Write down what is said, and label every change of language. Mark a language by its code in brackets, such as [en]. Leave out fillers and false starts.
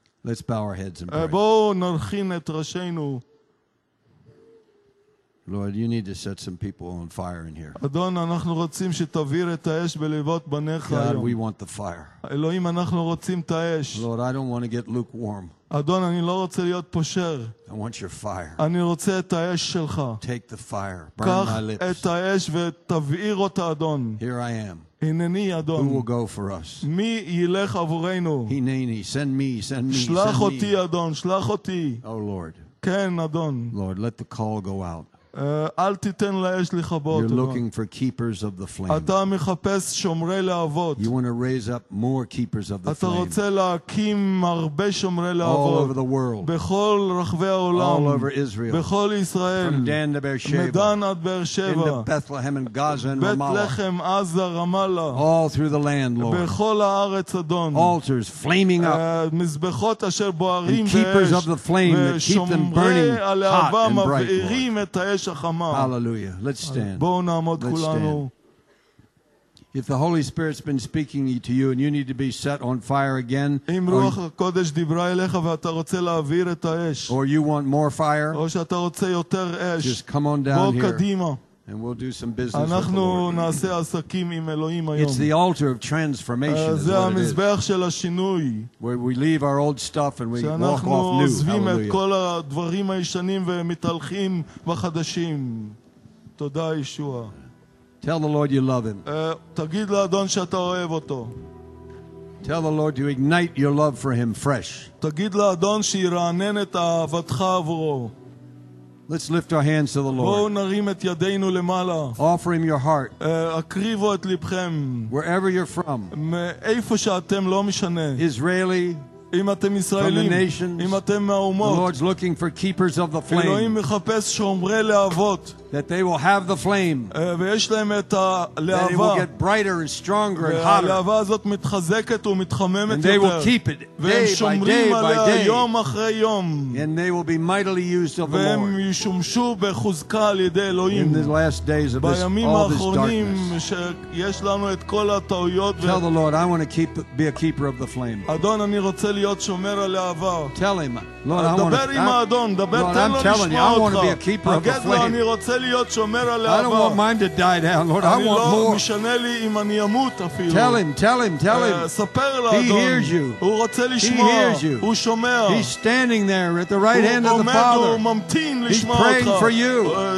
[en] Let's bow our heads and pray. Lord, you need to set some people on fire in here. God, we want the fire. Lord, I don't want to get lukewarm. [he] אדון, אני לא רוצה להיות פושר. [en] I want your fire. [he] אני רוצה את האש שלך. [en] Take the fire. Burn my lips. [he] קח את האש ותבעיר אותה, אדון. [en] Here I am. [he] הנני, אדון. [en] Who will go for us? [he] מי ילך עבורנו? [en] הנני, send me, send me. [he] שלח אותי, אדון, שלח אותי. [en] Oh, Lord. [he] כן, אדון. [en] Lord, let the call go out. [he] אל תיתן לאש לכבות. [en] You're looking for keepers of the flame. [he] אתה מחפש שומרי להבות. [en] You want to raise up more keepers of the flame. [he] אתה רוצה להקים הרבה שומרי להבות. [en] All over the world. [he] בכל רחבי העולם. [en] All over Israel. [he] בכל ישראל. [en] From Dan to Beersheba. [he] מדן עד באר-שבע. [en] Into Bethlehem and Gaza and Ramallah. [he] בית-לחם, עזה, רמאללה. [en] All through the land, Lord. [he] בכל הארץ, אדון. [en] Altars flaming up. [he] מזבחות אשר בוערים באש. [en] And keepers of the flame that keep them burning hot and bright, Lord. Hallelujah. Let's stand. Let's stand. If the Holy Spirit's been speaking to you and you need to be set on fire again, or you want more fire, just come on down here and we'll do some business with the Lord. It's the altar of transformation is what it is. Where we leave our old stuff and we walk off new. Hallelujah. [he] תודה, ישוע. [en] Tell the Lord you love him. [he] תגיד לאדון שאתה אוהב אותו. [en] Tell the Lord to ignite your love for him fresh. [he] תגיד לאדון שירענן את אהבתך עבורו. [en] Let's lift our hands to the Lord. Offer him your heart. Wherever you're from. Israeli. [he] אם אתם ישראלים, [en] from the nations, [he] אם אתם מהאומות, [en] the Lord's looking for keepers of the flame. [he] אלוהים מחפש שומרי להבות. [en] That they will have the flame. [he] ויש להם את הלהבה. [en] That it will get brighter and stronger and hotter. [he] והלהבה הזאת מתחזקת ומתחממת יותר. [en] And they will keep it day by day by day. [he] יום אחרי יום. [en] And they will be mightily used of the Lord. [he] והם ישומשו בחוזקה על ידי אלוהים. [en] In the last days of this, all this darkness. [he] יש לנו את כל הטעויות. [en] Tell the Lord, I want to keep, be a keeper of the flame. [he] אדון, אני רוצה להיות שומר הלהבה. [en] Tell him, Lord, I want to. [he] דבר עם האדון, דבר, תן לו לשמוע אותך. [en] I want to be a keeper of the flame. [he] אני רוצה, [en] I don't want mine to die down, Lord. I want more. Tell him, tell him, tell him. He hears you. He hears you. He's standing there at the right hand of the Father. He's praying for you.